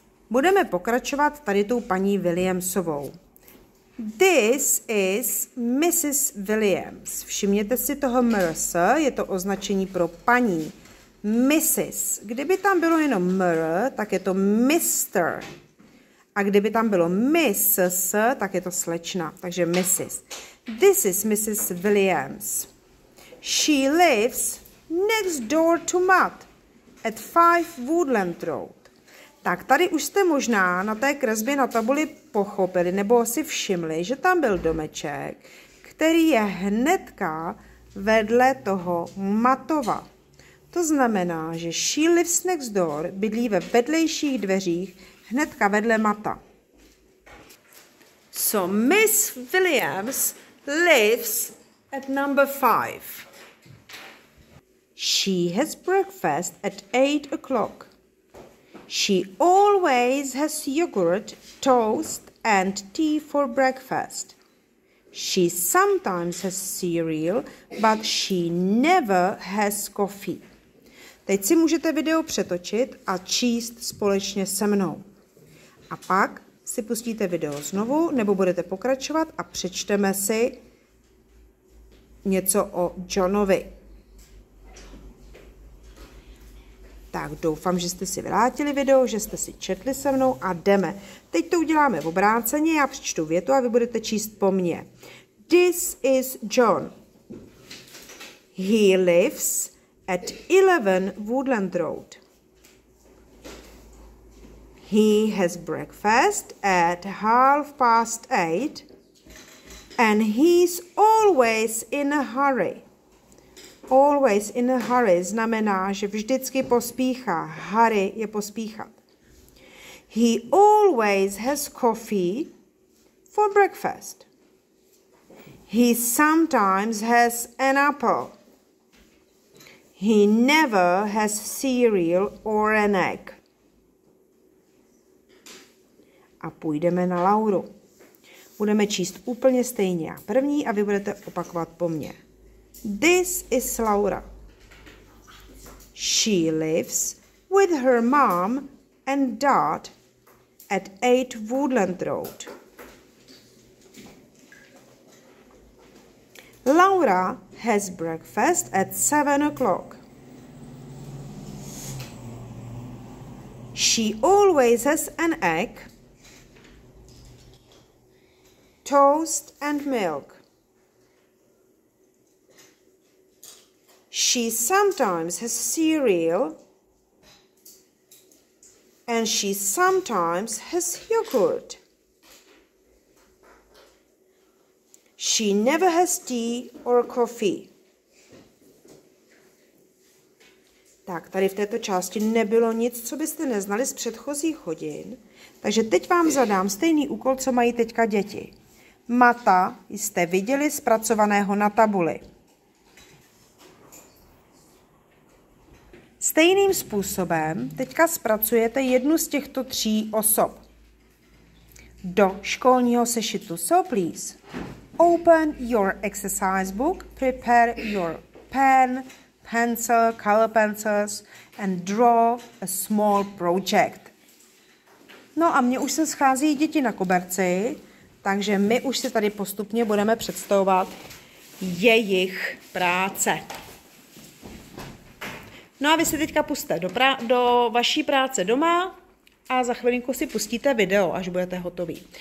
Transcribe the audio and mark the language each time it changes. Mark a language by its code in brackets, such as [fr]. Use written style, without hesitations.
[cs] Budeme pokračovat tady tou paní Williamsovou. [en] This is Mrs. Williams. [cs] Všimněte si toho Mrs., je to označení pro paní. Mrs. Kdyby tam bylo jenom Mr., tak je to Mr. A kdyby tam bylo Mrs., tak je to slečna, takže Mrs. [en] This is Mrs. Williams. She lives next door to Matt at 5 Woodland Road. [cs] Tak tady už jste možná na té kresbě na tabuli pochopili nebo si všimli, že tam byl domeček, který je hnedka vedle toho Matova. To znamená, že [en] she lives next door [cs] bydlí ve vedlejších dveřích hnedka vedle Mata. [en] So Miss Williams lives at 5. She has breakfast at 8:00. She always has yogurt, toast and tea for breakfast. She sometimes has cereal, but she never has coffee. [cs] Teď si můžete video přetočit a číst společně se mnou. A pak si pustíte video znovu, nebo budete pokračovat a přečteme si něco o Johnovi. Tak doufám, že jste si vrátili video, že jste si četli se mnou a jdeme. Teď to uděláme v obráceně, já přečtu větu a vy budete číst po mně. [en] This is John. He lives at 11 Woodland Road. He has breakfast at 8:30 and he's always in a hurry. Always in a hurry [cs] znamená, že vždycky pospíchá. Hurry je pospíchat. [en] He always has coffee for breakfast. He sometimes has an apple. He never has cereal or an egg. [cs] A půjdeme na Lauru. Budeme číst úplně stejně jak první a vy budete opakovat po mně. [en] This is Laura. She lives with her mom and dad at 8 Woodland Road. Laura has breakfast at 7 o'clock. She always has an egg, toast and milk. She sometimes has cereal and she sometimes has yogurt. She never has tea or coffee. [cs] Tak, tady v této části nebylo nic, co byste neznali z předchozích hodin. Takže teď vám zadám stejný úkol, co mají teďka děti. Mata jste viděli zpracovaného na tabuli. Stejným způsobem teďka zpracujete jednu z těchto tří osob. Do školního sešitu. [en] So please, open your exercise book, prepare your pen, pencil, color pencils and draw a small project. [cs] No a mně už se schází děti na koberci, takže my už si tady postupně budeme představovat jejich práce. No a vy se teďka pusťte do vaší práce doma a za chvilinku si pustíte video, až budete hotoví.